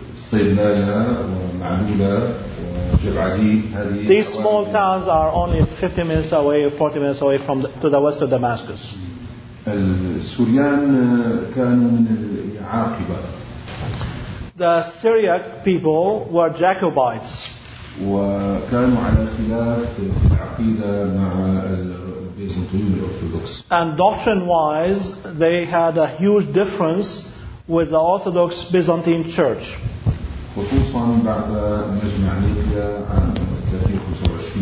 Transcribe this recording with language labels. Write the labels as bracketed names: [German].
[Arabic] صيدنايا ومعمولة وجبعديد هذه. [English] These small towns are only 50 minutes away, 40 minutes away from to the west of Damascus. [Arabic] السوريان كانوا من العاقبة. [English] The Syriac people were Jacobites. [Arabic] وكانوا على خلاف في العقيدة مع البيزنطيين الأرثوذكس. [English] And doctrine-wise, they had a huge difference with the Orthodox Byzantine Church. [Arabic] خصوصاً بعد مجمع نيكيا عام 325.